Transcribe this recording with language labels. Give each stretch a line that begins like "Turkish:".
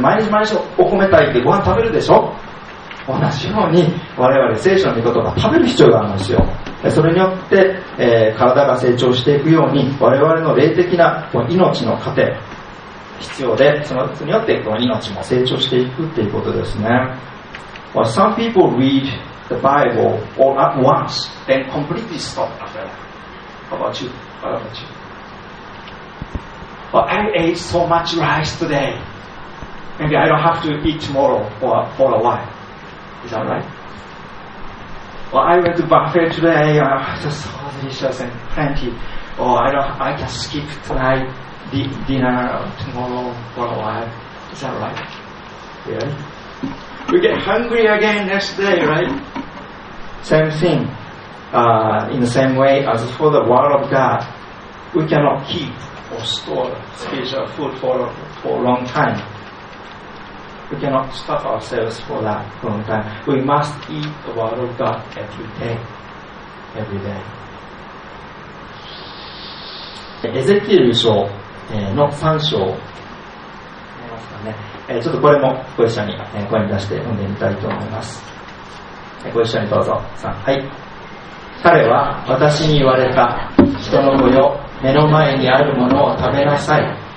Japanese: 毎日毎日お米炊いてご飯食べるでしょ。同じように我々聖書の御言葉食べる必要があるんですよ。それによって、体が成長していくように、我々の霊的な命の糧必要で、そのによってこの命も成長していくということですね。
English: Well, some people read the Bible all at once, then completely stop after that. How about you? Well, I ate so much rice today. Maybe I don't have to eat tomorrow for a while. Is that right? Well, I went to buffet today, just so delicious and plenty. I can skip tonight, dinner tomorrow for a while. Is that right? Really? We get hungry again next day, right? Same thing. In the same way as for the Word of God, we cannot keep or store spiritual food for a long time. We cannot stop ourselves for that for a long time. We must eat the Word of God every day. Every day.
Japanese: エゼキエル書の3章見えますかね。ちょっとこれもご一緒に声に出して読んでみたいと思います。ご一緒にどうぞ。さん、はい。彼は私に言われた、人の子よ、目の前にあるものを食べなさい。